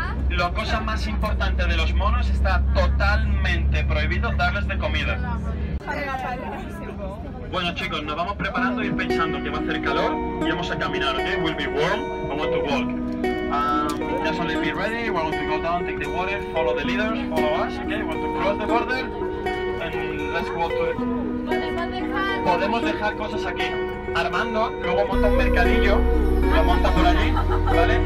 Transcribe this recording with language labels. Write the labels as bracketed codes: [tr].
[es] La cosa más importante de los monos está totalmente prohibido darles de comida. Bueno chicos, nos vamos preparando y pensando que va a hacer calor y vamos a caminar, ok? [en] We'll be warm, I want to walk. Just only be ready, we want to go down, take the water, follow the leaders, follow us, ok? We want to cross the border and let's go to it. [es] Podemos dejar cosas aquí. Armando, luego monta un mercadillo, lo monta por allí, ¿vale?